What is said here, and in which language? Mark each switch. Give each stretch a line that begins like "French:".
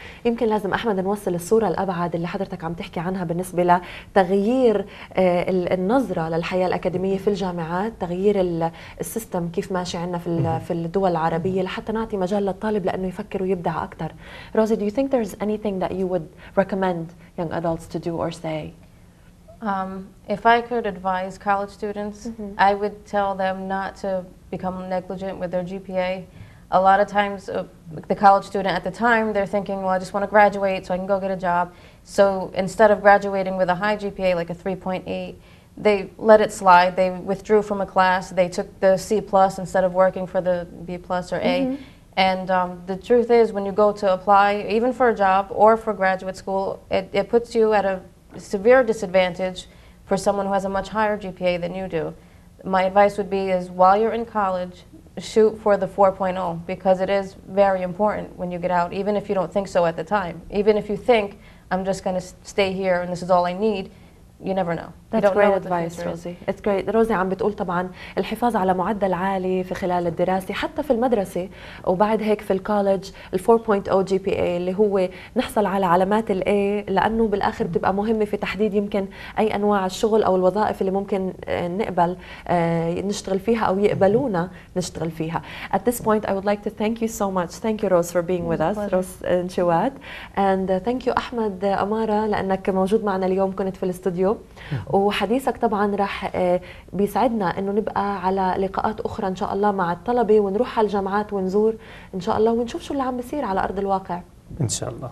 Arabic: يمكن لازم أحمد نوصل الصورة الأبعد اللي حضرتك عم تحكي عنها بالنسبة لتغيير النظرة للحياة الأكاديمية في الجامعات تغيير السيستم كيف ماشي عنا في الدول العربية لحتى نعطي مجال للطالب لأنه يفكر ويبدع أكثر
English: Rosie, do you think there's anything that you would recommend young adults to do or say? If I could advise college students, mm-hmm. I would tell them not to become negligent with their GPA. A lot of times, the college student at the time, they're thinking, well, I just want to graduate so I can go get a job. So instead of graduating with a high GPA, like a 3.8, they let it slide. They withdrew from a class. They took the C+ instead of working for the B+ or A. Mm-hmm. And the truth is, when you go to apply, even for a job or for graduate school, it puts you at a severe disadvantage for someone who has a much higher GPA than you do. My advice would be is while you're in college, shoot for the 4.0, because it is very important when you get out, even if you don't think so at the time. Even if you think, I'm just going to stay here and this is all I need, you never know. That's great advice, Rosie. It's great.
Arabic: Rosie عم بتقول طبعاً الحفاظ على معدل عالي في خلال الدراسة حتى في المدرسة وبعد هيك في الكوليج ال 4.0 GPA اللي هو نحصل على علامات الـ A لأنه بالآخر بتبقى مهمة في تحديد يمكن أي أنواع الشغل أو الوظائف اللي ممكن نقبل نشتغل فيها أو يقبلونا نشتغل فيها.
English: At this point, I would like to thank you so much. Thank you, Rose, for being with us. Rose Nesheiwat. And thank you,
Arabic: أحمد أمارة, لأنك موجود معنا اليوم, كنت في الاستوديو. وحديثك طبعا راح بيساعدنا انه نبقى على لقاءات اخرى ان شاء الله مع الطلبه ونروح على الجامعات ونزور ان شاء الله ونشوف شو اللي عم بيصير على ارض الواقع ان شاء الله.